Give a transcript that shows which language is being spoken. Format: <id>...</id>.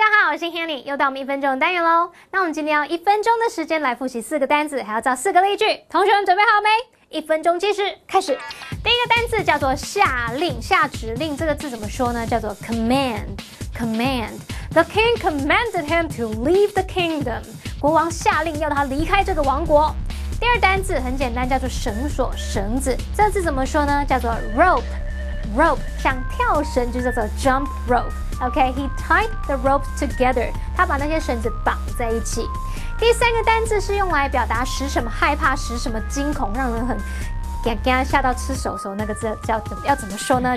<zh>我是 Hanny， 又到我们一分钟的单元咯。那我们今天要一分钟的时间来复习四个单字，还要造四个例句。同学们准备好没？一分钟计时开始。第一个单字叫做下令，下指令，这个字怎么说呢？叫做 command。</zh> <en>The king commanded him to leave the kingdom。</en> <zh>国王下令要他离开这个王国。第二单字很简单，叫做绳索，绳子，这个字怎么说呢？叫做 rope。Rope 像跳绳就叫做 jump rope。</zh> <en>OK, he tied the ropes together.</en> <zh>他把那些绳子绑在一起。第三个单字是用来表达使什么害怕，使什么惊恐，让人很吓到吃手手，那个字叫要怎么说呢？</zh>